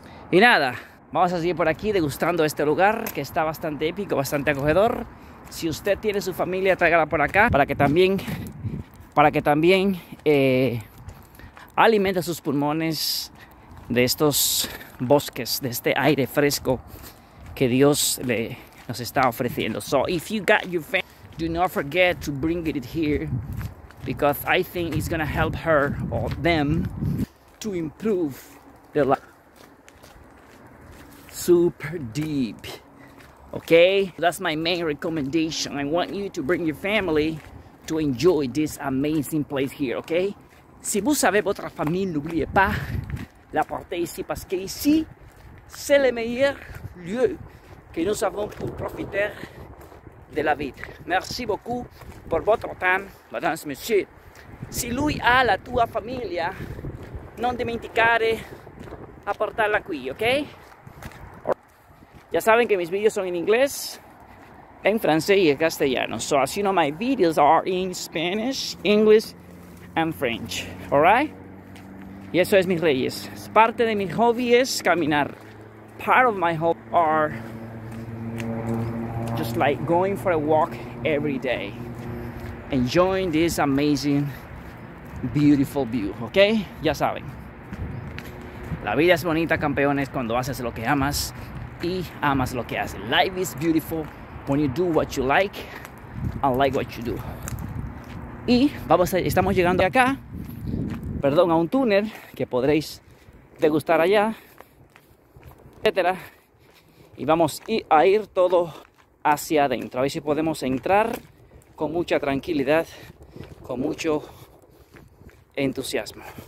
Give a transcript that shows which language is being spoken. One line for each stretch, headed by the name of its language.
Spanish: Y nada, vamos a seguir por aquí degustando este lugar, que está bastante épico, bastante acogedor. Si usted tiene su familia, tráigala por acá para que también alimente sus pulmones de estos bosques, de este aire fresco que Dios nos está ofreciendo.
English: So, if you got your family, do not forget to bring it here, because I think it's gonna help her or them to improve their life. Super deep. Okay? That's my main recommendation. I want you to bring your family to enjoy this amazing place here, okay?
French: Si vous avez votre famille, n'oubliez pas la porter ici, parce que ici, c'est le meilleur lieu que nous avons pour profiter de
Spanish: la vida.
French: Merci beaucoup por votre temps, madame, monsieur.
Italian: Si lui ha la tua familia, non dimenticare a portarla qui, ok?
Spanish: Ya saben que mis videos son en inglés, en francés y en castellano.
English: So, as you know, my videos are in Spanish, English and French, alright?
Spanish: Y eso es mis reyes. Parte de mi hobby es caminar.
English: Part of my hobby are just like going for a walk every day, enjoying this amazing, beautiful view, okay?
Spanish: Ya saben, la vida es bonita, campeones, cuando haces lo que amas y amas lo que haces.
English: Life is beautiful when you do what you like and like what you do.
Spanish: Y estamos llegando acá, perdón, a un túnel que podréis degustar allá, etcétera. Y vamos a ir todo hacia adentro, a ver si podemos entrar con mucha tranquilidad, con mucho entusiasmo.